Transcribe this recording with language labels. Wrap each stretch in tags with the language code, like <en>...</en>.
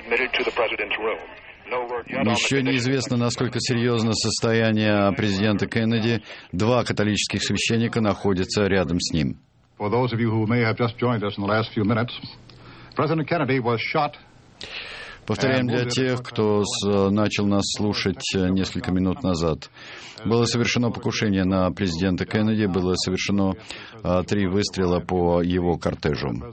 <ru>Еще неизвестно, насколько серьезно состояние президента Кеннеди. Два католических священника находятся рядом с ним.</ru> <en>For those of you who may have just joined us in the last few minutes, President Kennedy was shot.</en> <ru>Повторяем для тех, кто начал нас слушать несколько минут назад. Было совершено покушение на президента Кеннеди, было совершено три выстрела по его кортежу.</ru>